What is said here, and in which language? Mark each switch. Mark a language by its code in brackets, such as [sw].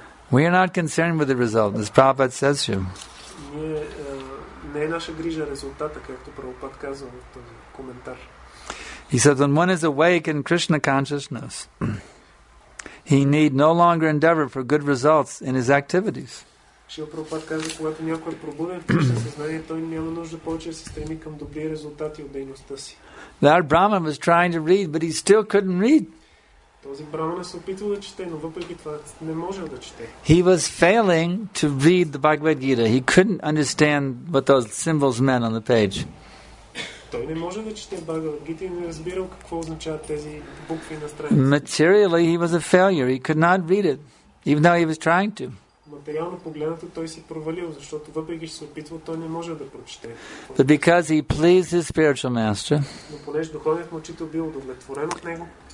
[en] We are not concerned with the result, as Prabhupada says to you. [bg] не е наша грижа резултата, както Прабхупад казва в този коментар. [en] He says, when one is awake in Krishna consciousness, he need no longer endeavor for good results in his activities. [bg] Шрила Прабхупад казва, когато някой е пробуден в Кришна съзнание, той няма нужда повече да се стреми към добри резултати от дейността си. [en] That Brahman was trying to read, but he still couldn't read. [bg] Този Брамана се опитвал да чете, но въпреки това не можел да чете. [en] He was failing to read the Bhagavad Gita. He couldn't understand what those symbols meant on the page. [bg] Той не може да чете Бхагавад Гита и не разбирал какво означават тези букви на страниците. [en] Materially, he was a failure. He could not read it, even though he was trying to. [bg] Материално погледнато, той се провалил, защото въпреки че се опитвал, той не може да прочете. [en] But because he pleased his spiritual master, [bg] но понеже духовният му учител бил удовлетворен от него,